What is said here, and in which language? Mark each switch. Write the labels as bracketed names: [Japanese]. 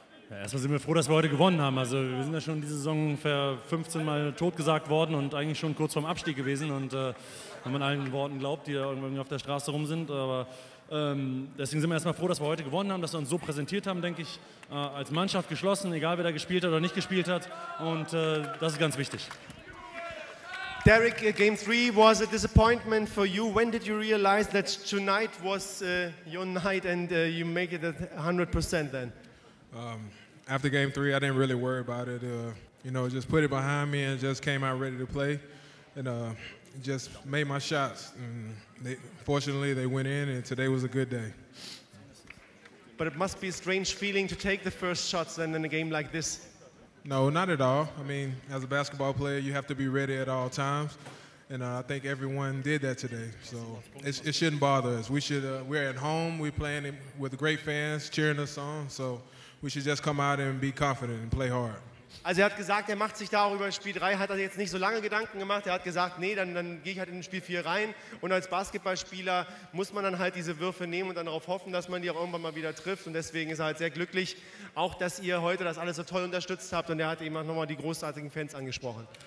[German] Ja, erstmal sind wir froh, dass wir heute gewonnen haben. Also wir sind ja schon diese Saison ungefähr 15 Mal totgesagt worden und eigentlich schon kurz vorm Abstieg gewesen. Und wenn man allen Worten glaubt, die da irgendwie auf der Straße rum sind. Aber deswegen sind wir erstmal froh, dass wir heute gewonnen haben, dass wir uns so präsentiert haben, denke ich, als Mannschaft geschlossen, egal wer da gespielt hat oder nicht gespielt hat. Und das ist ganz wichtig. [English] Derek, Game 3 was a disappointment for you. When did you realize that tonight was your night and you make it at 100% then? After game 3, I didn't really worry about it. You know, just put it behind me and just came out ready to play. And just made my shots. And fortunately, they went in and today was a good day. But it must be a strange feeling to take the first shots and then a game like this. No, not at all. I mean, as a basketball player, you have to be ready at all times. And I think everyone did that today. So it shouldn't bother us. We're at home. We're playing with great fans cheering us on. So we should just come out and be confident and play hard. [German] Also er hat gesagt, er macht sich da auch über Spiel 3, hat er jetzt nicht so lange Gedanken gemacht. Er hat gesagt, nee, dann gehe ich halt in Spiel 4 rein. Und als Basketballspieler muss man dann halt diese Würfe nehmen und dann darauf hoffen, dass man die auch irgendwann mal wieder trifft. Und deswegen ist er halt sehr glücklich, auch dass ihr heute das alles so toll unterstützt habt. Und er hat eben auch nochmal die großartigen Fans angesprochen.